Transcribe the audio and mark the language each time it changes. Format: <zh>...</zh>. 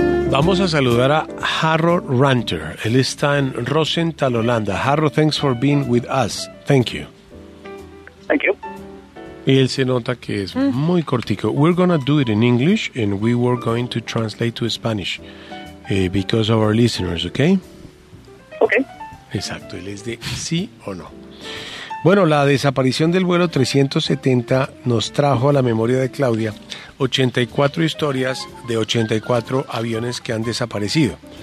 <es>Vamos a saludar a Harold Ranter. Él está en Rosenthal, Holanda.</es> <en>Harold, thanks for being with us. Thank you. Thank you.</en> <es>Y él se nota que es muy cortico.</es> <en>We're going to do it in English and we were going to translate to Spanish because of our listeners, okay? Okay.</en> <es>Exacto, él es de sí o no. Bueno, la desaparición del vuelo 370 nos trajo a la memoria de Claudia 84 historias de 84 aviones que han desaparecido.</es>